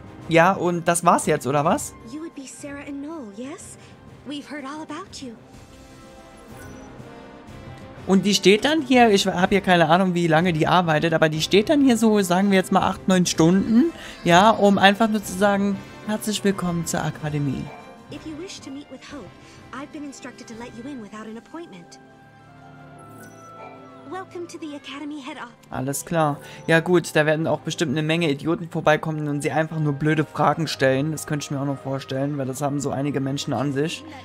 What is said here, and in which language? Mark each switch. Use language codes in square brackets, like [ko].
[de] Ja, und das war's jetzt, oder was? [en] You would be Sarah and Noel, yes? We've heard all about you. [de] Und die steht dann hier, ich habe hier keine Ahnung, wie lange die arbeitet, aber die steht dann hier so, sagen wir jetzt mal 8-9 Stunden, ja, um einfach nur zu sagen, herzlich willkommen zur Akademie. [en] If you wish to meet with Hope, I've been instructed to let you in without an appointment. Welcome to the Academy head office. [de] Alles klar. Ja gut, da werden auch bestimmt eine Menge Idioten vorbeikommen und sie einfach nur blöde Fragen stellen. Das könnte ich mir auch noch vorstellen, weil das haben so einige Menschen an sich.